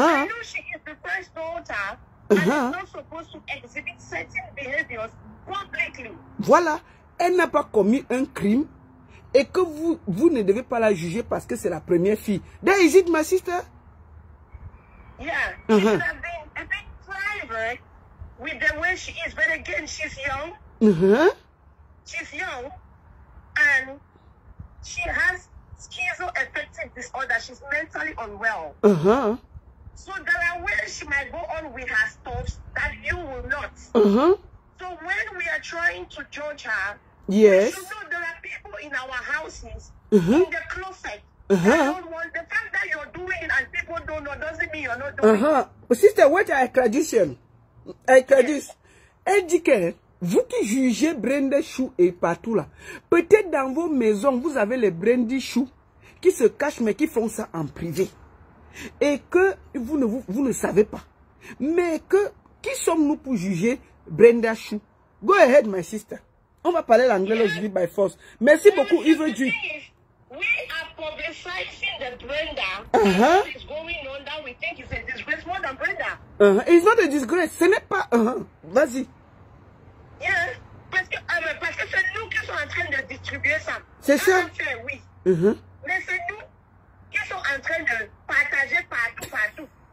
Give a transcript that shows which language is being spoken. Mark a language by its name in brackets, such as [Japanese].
[English] I know she is the first daughter uh-huh. and is not supposed to exhibit certain behaviors publicly. [French] Voilà, elle n'a pas commis un crime et que vous ne devez pas la juger parce que c'est la première fille. [English] There is it, my sister? Yeah, uh-huh. She should have been a bit private with the way she is, but again, she's young. Uh-huh. She's young and she has schizoaffective disorder. She's mentally unwell. Uh-huh. So there are ways she might go on with her stuff that you will not. Uh-huh. So when we are trying to judge her, yes, we should know there are people in our houses uh-huh. in the closet. Uh-huh. The fact that you're doing it and people don't know doesn't mean you're not doing uh-huh. it. Sister, what are tradition? I traduce. Educate. Yes. [French] Vous qui jugez Brenda Chou et partout là, peut-être dans vos maisons, vous avez les Brenda Chou qui se cachent mais qui font ça en privé. Et que vous ne savez pas. Mais que, qui sommes-nous pour juger Brenda Chou? [English] Go ahead, my sister. [French] On va parler l'anglais aujourd'hui [English] by force. [French] Merci beaucoup, Yves Dieu. [English] We are publicizing the Brenda. Uh-huh. What is going on that we think is a disgrace more than Brenda? Uh-huh. It's not a disgrace. [French] Ce n'est pas. [English] Uh-huh. [French] Vas-y. Yeah, parce que c'est nous qui sommes en train de distribuer ça. C'est ça? Fait, oui. Uh-huh. Mais c'est nous qui sommes en train de partager partout.